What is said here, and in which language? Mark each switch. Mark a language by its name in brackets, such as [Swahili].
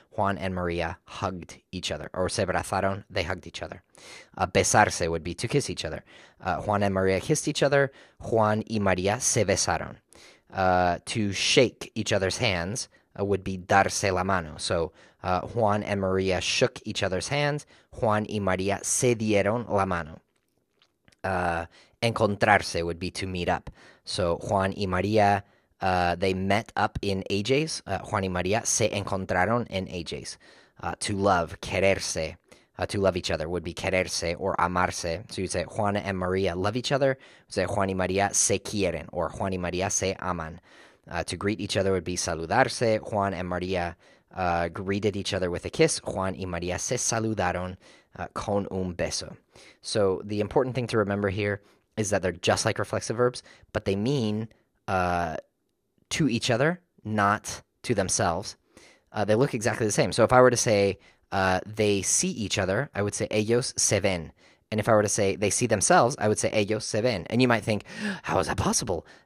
[English] Juan and María hugged each other. Or se abrazaron, they hugged each other. Besarse would be to kiss each other. Juan and María kissed each other. Juan y María se besaron. To shake each other's hands would be darse la mano. So Juan and María shook each other's hands. [Spanish] Juan y María se dieron la mano. [English] Encontrarse would be to meet up. So Juan y María... they met up in AJs. [Spanish] Juan y María se encontraron en AJs. [English] To love, quererse, to love each other would be quererse or amarse. So you'd say Juan and María love each other. You'd say Juan y María se quieren or Juan y María se aman. To greet each other would be saludarse. Juan and María greeted each other with a kiss. [Spanish] Juan y María se saludaron con un beso. [English] So the important thing to remember here is that they're just like reflexive verbs, but they mean... to each other, not to themselves. They look exactly the same. So if I were to say they see each other, I would say ellos se ven. And if I were to say they see themselves, I would say ellos se ven. And you might think, how is that possible?